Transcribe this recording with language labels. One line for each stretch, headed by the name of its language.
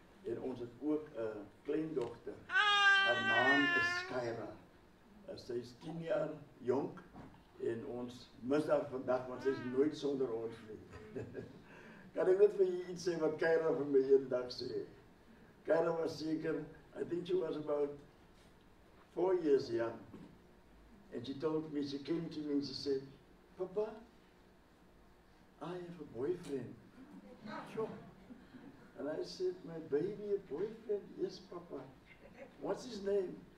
Afrikaans: En ons het ook een kleindochter. Haar naam is Skyra. Sy is 10 jaar jong en ons mis haar vandag, want sy is nooit sonder ons nie. Kan ek net vir jy iets sê wat Skyra vir my een dag sê?
English: Skyra
Afrikaans: was seker,
English: I think she was about 4 years young. And she told me, she came to me and she said, Papa, I have a boyfriend. Sure. And I said, my baby, a boyfriend? Yes, Papa. What's his name?